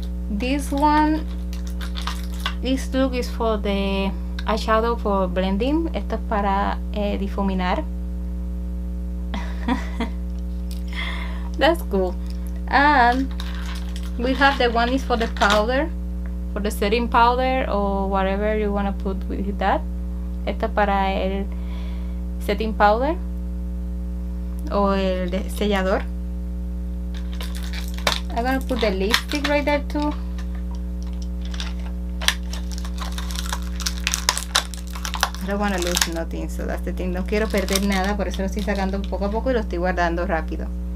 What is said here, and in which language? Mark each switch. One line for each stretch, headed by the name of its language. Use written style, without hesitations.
English: This one, this look is for the eyeshadow for blending.
Spanish: Esto es para difuminar.
English: That's cool. And we have the one is for the powder, for the setting powder or whatever you want to put with that.
Spanish: Esto es para el setting powder o el sellador.
English: I'm gonna put the lipstick right there too. I don't want to lose nothing, so that's the thing.
Spanish: No quiero perder nada, por eso lo estoy sacando poco a poco y lo estoy guardando rápido.